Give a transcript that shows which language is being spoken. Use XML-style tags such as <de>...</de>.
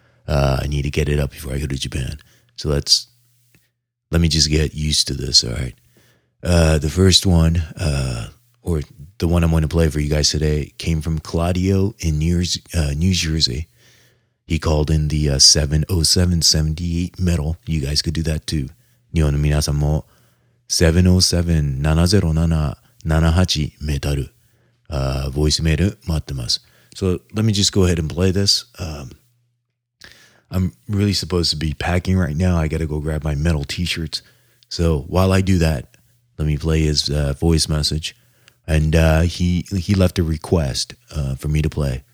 <en>I need to get it up before I go to Japan. So let me just get used to this, all right? The first one, or the one I'm going to play for you guys today came from Claudio in New Jersey. He called in the 707-78 metal. You guys could do that too.</en> <ja>日本の皆さんも707-707-78 メタル、ボイスメール待ってます。</ja> <en>So let me just go ahead and play this. I'm really supposed to be packing right now. I got to go grab my metal t-shirts. So while I do that, let me play his voice message. And he left a request for me to play.</en>